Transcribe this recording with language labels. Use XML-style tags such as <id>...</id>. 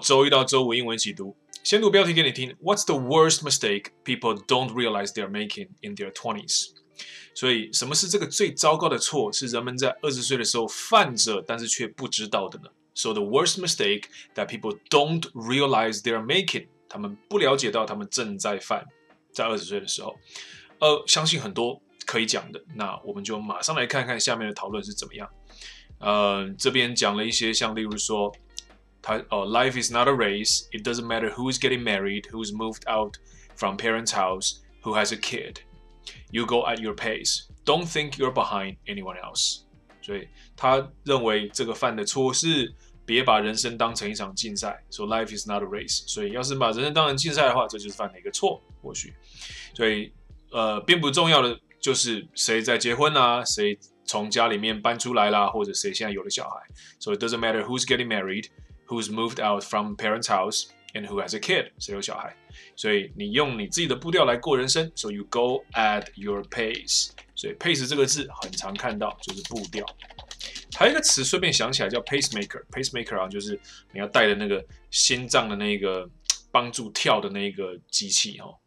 <zh>周一到周五英文一起读，先读标题给你听。</zh> <en>What's the worst mistake people don't realize they're making in their 20s?</en> <zh>所以什么是这个最糟糕的错是人们在20岁的时候犯着但是却不知道的呢？ So the worst mistake that people don't realize they're making, 他们不了解到他们正在犯在20岁的时候，相信很多可以讲的，那我们就马上来看看下面的讨论是怎么样。这边讲了一些，像例如说 life is not a race.</zh> <en>It doesn't matter who is getting married, who is moved out from parents' house, who has a kid. You go at your pace. Don't think you're behind anyone else.</en> <zh>所以他认为这个犯的错是别把人生当成一场竞赛。</zh> <en>So life is not a race.</en> <zh>所以要是把人生当成竞赛的话，这就是犯了一个错，或许。所以并不重要的就是谁在结婚啊，谁从家里面搬出来啦，或者谁现在有了小孩。</zh> <en>So it doesn't matter who's getting married. Who's moved out from parents' house and who has a kid?</en> <zh>谁有小孩？所以你用你自己的步调来过人生。 So you go at your pace. 所以 pace 这个字很常看到，就是步调。还有一个词顺便想起来叫 pacemaker。pacemaker 啊，就是你要带的那个心脏的那个帮助跳的那个机器哦。</zh>